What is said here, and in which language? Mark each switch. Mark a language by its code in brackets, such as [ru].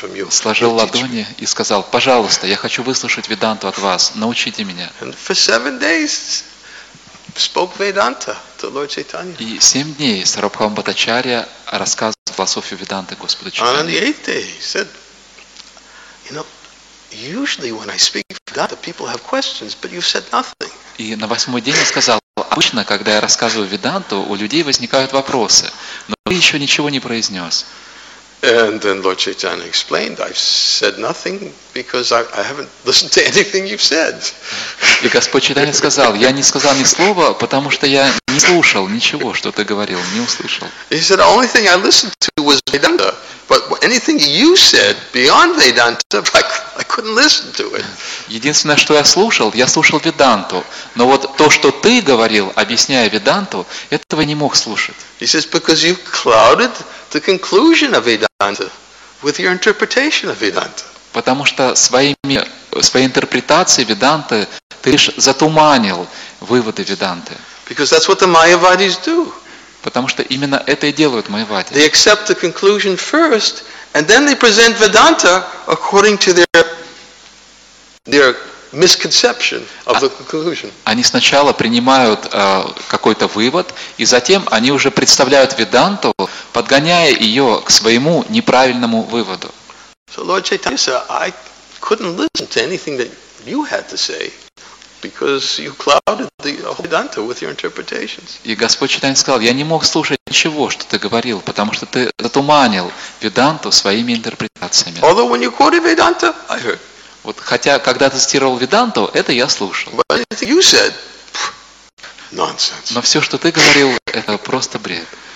[ru] Сложил ладони и сказал, пожалуйста, я хочу выслушать Веданту от вас, научите меня. [en] Spoke Vedanta to Lord Chaitanya. [ru] И 7 дней Сарвабхаума Бхаттачарья рассказывал философию Веданты Господу Чайтанья. [en] On the 8th day, he said, you know, usually when I speak Vedanta, people have questions, but you've said nothing. [ru] И на 8-й день сказал, обычно, когда я рассказываю Веданту, у людей возникают вопросы, но ты еще ничего не произнес. [en] And then Lord Chaitanya explained, I've said nothing because I haven't listened to anything you've said. [ru] И Господь Чайтанья сказал, я не сказал ни слова, потому что я не слушал ничего, что ты говорил, не услышал. [en] He said, the only thing I listened to was Vedanta, but anything you said beyond Vedanta, I couldn't listen to it. [ru] Единственное, что я слушал Веданту, но вот то, что ты говорил, объясняя Веданту, этого не мог слушать. [en] He says, because you clouded the conclusion of Vedanta with your interpretation of Vedanta. [ru] Потому что своей интерпретацией Веданты ты лишь затуманил выводы Веданты. [en] Because that's what the Mayavadis do. [ru] Потому что именно это и делают Майявади. [en] They accept the conclusion first, and then they present Vedanta according to their misconception of the conclusion. [ru] Они сначала принимают какой-то вывод, и затем они уже представляют Веданту, подгоняя ее к своему неправильному выводу. [en] So Lord Chaitanya said, I couldn't listen to anything that you had to say, because you clouded the whole Vedanta with your interpretations. [ru] И Господь Чайтанья сказал, я не мог слушать ничего, что ты говорил, потому что ты затуманил Веданту своими интерпретациями. [en] Although when you quoted Vedanta, I heard. [ru] Вот хотя, когда ты цитировал Веданту, это я слушал. [en] But anything you said, nonsense. [ru] Но все, что ты говорил, это просто бред.